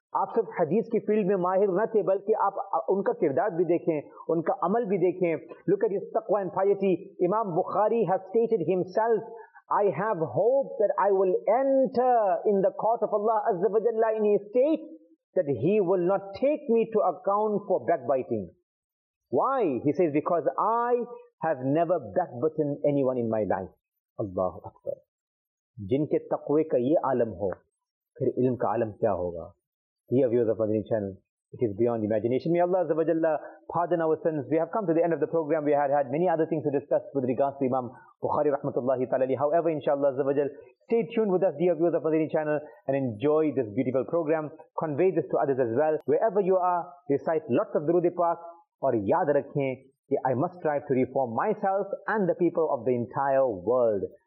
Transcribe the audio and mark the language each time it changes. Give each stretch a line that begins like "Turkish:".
Urdu: آپ صرف حدیث کی فیلڈ میں ماہر نہ تھے بلکہ آپ ان کا کردار بھی دیکھیں ان کا عمل بھی دیکھیں
English: Look at his taqwa and piety. Imam Bukhari has stated himself, I have hope that I will enter in the court of Allah Azza wa Jalla in his state, that he will not take me to account for backbiting. Why? He says, because I have never backbitten anyone in my life. Allahu Akbar.
Urdu: جن کے تقوے کا یہ عالم ہو پھر علم کا عالم کیا ہوگا?
English: Dear viewers of Madani channel, It is beyond imagination. May Allah Azza wa Jalla pardon our sins. We have come to the end of the program. We had many other things to discuss with regards to Imam Bukhari rahmatullahi ta'ala. However, inshallah Azza wa Jalla, stay tuned with us, dear viewers of Madini channel, and enjoy this beautiful program. Convey this to others as well. Wherever you are, recite lots of Durood-e Pak, or
Urdu: yaad rakhein,
English: I must strive to reform myself and the people of the entire world.